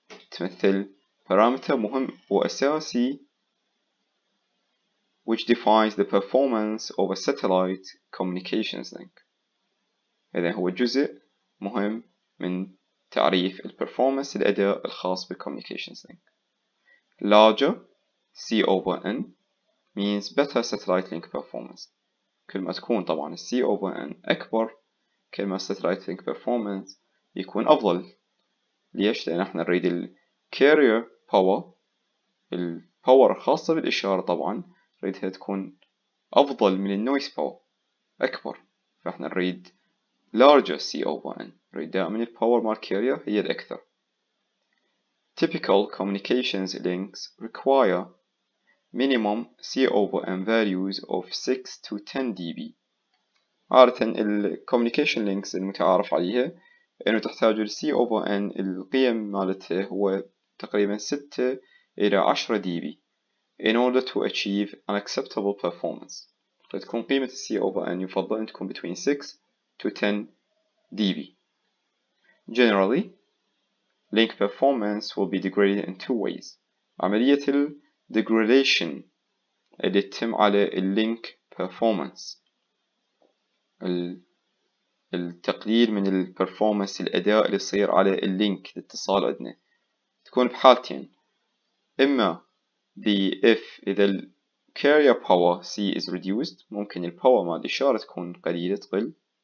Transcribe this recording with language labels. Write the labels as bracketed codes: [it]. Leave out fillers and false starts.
[ar] تمثل parameter مهم وأساسي [en] which defines the performance of a satellite communications link. [ar] إذن هو جزء مهم من تعريف ال performance الأداء الخاص بال communications link. [en] Larger C over N means better satellite link performance. [ar] كل ما تكون طبعا الـ C over N أكبر، كل ما satellite link performance يكون أفضل. ليش؟ لأن احنا نريد الـ carrier power، الـ power الخاصة بالإشارة طبعا نريدها تكون أفضل من الـ noise power أكبر، فاحنا نريد larger C over N، نريد دائما الـ power مال carrier هي الأكثر. [en] Typical communications links require minimum C over N values of 6 to 10 dB. [ar] عادة الـ communication links المتعارف عليها انه تحتاج الـ C over N القيم مالته هو تقريبا 6 الى 10 dB [en] in order to achieve an acceptable performance. [ar] فتكون قيمة الـ C over N يفضل ان تكون between 6 to 10 dB. [en] Generally, link performance will be degraded in two ways. [ar] عملية الـ degradation اللي تتم على اللينك performance، التقليل من performance الأداء اللي يصير على اللينك الاتصال عندنا تكون بحالتين، إما if إذا ال [en] carrier power C is reduced، [ar] ممكن ال power مال الإشارة تكون قليلة تقل،